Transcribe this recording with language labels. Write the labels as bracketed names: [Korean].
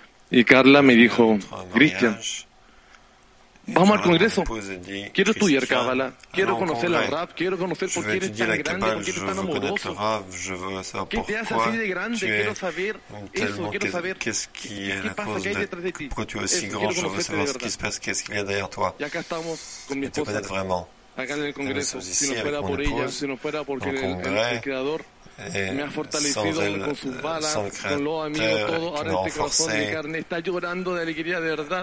[Spanish] Y Carla me dijo, Cristian, vamos al congreso. Quiero estudiar Kabbalah, quiero conocer la rap, quiero conocer por qué eres tan grande, por qué eres tan amoroso. ¿Qué te hace así de grande? Quiero saber eso, quiero saber qué pasa que hay detrás de ti. [French] Pourquoi tu es si grand? Je veux savoir ce qui se passe, qu'est-ce qu'il y a derrière toi. [Spanish] Y acá estamos con mi esposa. Acá en el congreso, si no fuera por ella, si no fuera porque el creador me ha fortalecido con sus balas, con los amigos, todo. Ahora este corazón de carne está llorando de alegría, de verdad.